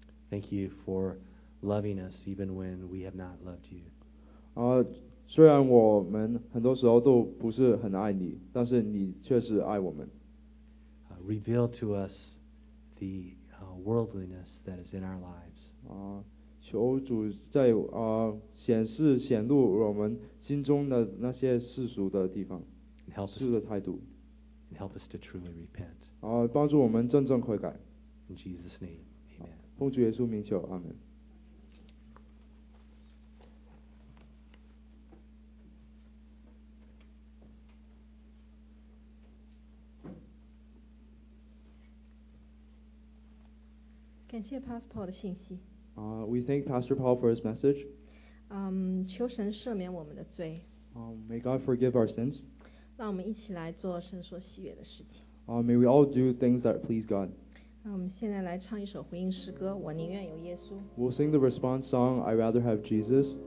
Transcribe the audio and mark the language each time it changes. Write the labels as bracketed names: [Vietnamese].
[English] Thank you for loving us even when we have not loved you. [Chinese] 虽然我们很多时候都不是很爱你，但是你确实爱我们。 [English] Reveal to us the worldliness that is in our lives. [Chinese] 求主在显露我们心中的那些世俗的地方，世的态度。 [English] Help us to truly repent. [Chinese] 帮助我们真正悔改。 [English] In Jesus' name, Amen. [Chinese] 奉主耶稣名求，阿门。感谢 Pastor Paul 的信息。 [English] We thank Pastor Paul for his message. [Chinese] 求神赦免我们的罪。 [English] May God forgive our sins. [Chinese] 让我们一起来做神所喜悦的事情。 [English] May we all do things that please God. [Chinese] 让我们现在来唱一首回应诗歌，我宁愿有耶稣。 [English] We'll sing the response song, I'd rather have Jesus.